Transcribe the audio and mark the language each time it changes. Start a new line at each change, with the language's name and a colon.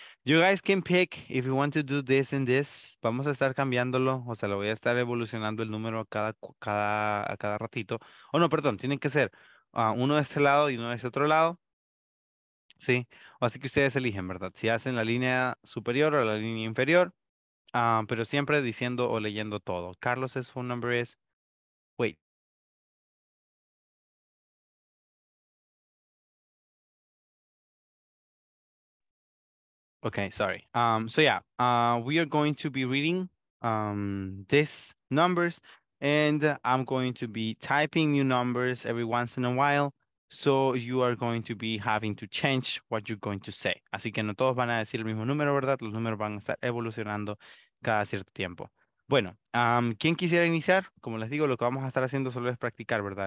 English: You guys can pick if you want to do this and this.
Spanish: Vamos a estar cambiándolo, o sea, lo voy a estar evolucionando el número a cada ratito. Oh, no, perdón, tienen que ser uno de este lado y uno de este otro lado. Sí, así que ustedes eligen, ¿verdad? Si hacen la línea superior o la línea inferior, pero siempre diciendo o leyendo todo.
English: Carlos's phone number is, wait. Okay, sorry. We are going to be reading these numbers, and I'm going to be typing new numbers every once in a while. So you are going to be having to change what you're going to say.
Spanish: Así que no todos van a decir el mismo número, ¿verdad? Los números van a estar evolucionando cada cierto tiempo. Bueno, ¿quién quisiera iniciar? Como les digo, lo que vamos a estar haciendo solo es practicar, ¿verdad?